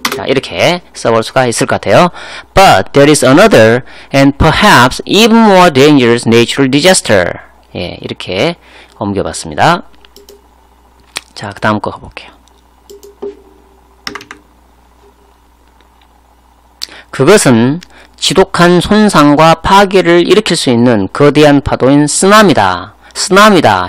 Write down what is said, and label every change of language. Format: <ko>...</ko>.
<ko>자, 이렇게 써볼 수가 있을 것 같아요.</ko> <en>but there is another and perhaps even more dangerous natural disaster.</en> <ko>예, 이렇게 옮겨봤습니다. 자, 그 다음 거 가볼게요. 그것은 지독한 손상과 파괴를 일으킬 수 있는 거대한 파도인 쓰나미다. 쓰나미다.</ko>